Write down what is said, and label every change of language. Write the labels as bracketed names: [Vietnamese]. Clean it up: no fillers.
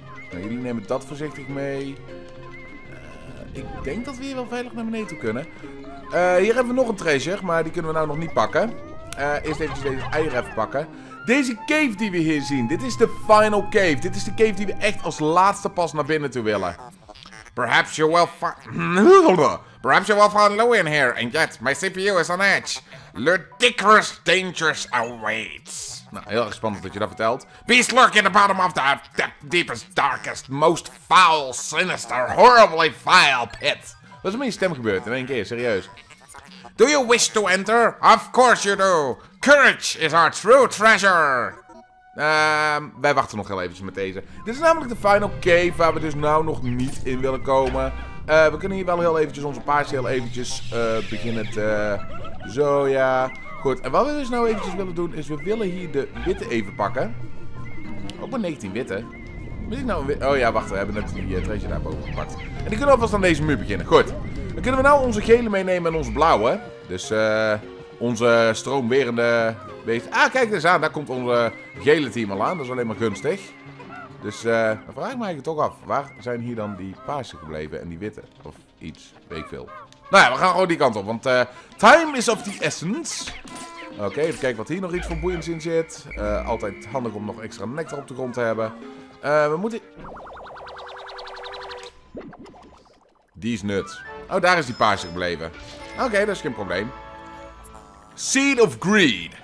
[Dutch] Nou, jullie nemen dat voorzichtig mee. Ik denk dat we hier wel veilig naar beneden toe kunnen. Hier hebben we nog een treasure, maar die kunnen we nou nog niet pakken. Eerst eventjes deze eieren even pakken. Deze cave die we hier zien, dit is de final cave. Dit is de cave die we echt als laatste pas naar binnen toe willen. [English] Perhaps you will find... Perhaps you will find low in here, and yet my CPU is on edge. Ludicrous dangers awaits. [Dutch] Nou, heel erg spannend dat je dat vertelt. [English] Beasts lurk in the bottom of the deepest, darkest, most foul, sinister, horribly vile pit. [Dutch] Wat is er met je stem gebeurd in één keer, serieus? [English] Do you wish to enter? Of course you do. Courage is our true treasure. [Dutch] Wij wachten nog heel eventjes met deze. Dit is namelijk de final cave waar we dus nou nog niet in willen komen. We kunnen hier wel heel eventjes onze paarse heel eventjes beginnen te... Zo ja. Goed. En wat we dus nou eventjes willen doen is we willen hier de witte even pakken. Ook maar 19 witte. Moet ik nou een witte... Oh ja, wacht. We hebben net die treasure daarboven gepakt. En die kunnen we alvast aan deze muur beginnen. Goed. Dan kunnen we nou onze gele meenemen en onze blauwe. Dus onze stroomwerende... Ah, kijk eens aan. Daar komt onze gele team al aan. Dat is alleen maar gunstig. Dus dan vraag ik me eigenlijk toch af. Waar zijn hier dan die paarse gebleven en die witte? Of iets, weet ik veel. Nou ja, we gaan gewoon die kant op. Want [English] time is of the essence. [Dutch] Oké, even kijken wat hier nog iets van boeiends in zit. Altijd handig om nog extra nectar op de grond te hebben. We moeten... Die is nut. Oh, daar is die paarse gebleven. Oké, dat is geen probleem. Seed of Greed.